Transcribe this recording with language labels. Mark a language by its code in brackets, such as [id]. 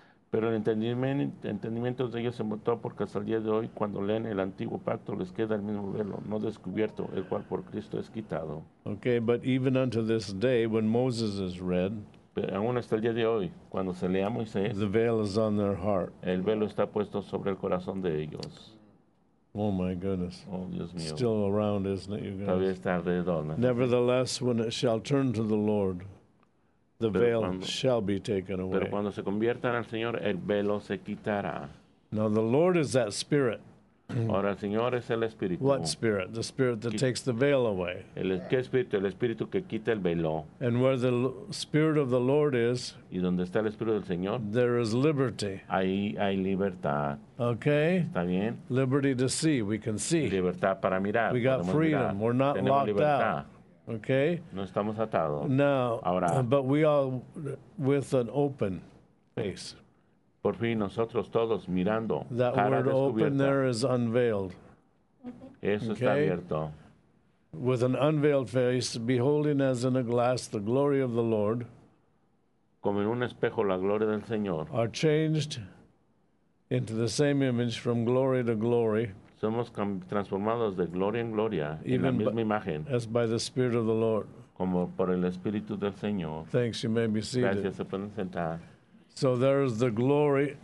[es] Pero el entendimiento de ellos se mutó porque hasta el día de hoy, cuando leen el antiguo pacto, les queda el mismo velo, no descubierto, el cual por Cristo es quitado. [en] Okay, but even unto this day, when Moses is read, [es] pero aún hasta el día de hoy, cuando se lea Moisés, [en] the veil is on their heart. [es] El velo está puesto sobre el corazón de ellos. [en] Oh my goodness. [es] Oh, Dios mío. [en] Still around, isn't it, you guys? [es] Todavía está alrededor, ¿no? [en] Nevertheless, when it shall turn to the Lord, the veil shall be taken away. [es] Pero cuando se conviertan al Señor, el velo se quitará. [en] Now the Lord is that Spirit. [es] Ahora el Señor es el Espíritu. [en] What Spirit? The Spirit that takes the veil away. [es] ¿Qué Espíritu? El Espíritu que quita el velo. [en] And where the Spirit of the Lord is, [es] y donde está el Espíritu del Señor, [en] there is liberty. [es] Ahí hay libertad. [en] Okay. [es] ¿Está bien? [en] Liberty to see. We can see. [es] Libertad para mirar. [en] We got freedom. We're not [es] Tenemos [en] locked [es] libertad. [en] Out. Okay. [es] No estamos atados. No. Ahora. [en] But we all with an open face. [es] Por fin nosotros todos mirando. [en] That word open there is unveiled. [es] Eso okay. Está abierto. [en] With an unveiled face, beholding as in a glass the glory of the Lord. [es] Como en un espejo la gloria del Señor. [en] Are changed into the same image from glory to glory. [es] Somos transformados de gloria en gloria [en] Even [es] en la misma imagen. [en] As by the Spirit of the Lord. [es] Como por el Espíritu del Señor. [en] Thanks, you may be seated. [es] Gracias, se pueden sentar. [en] So there is the glory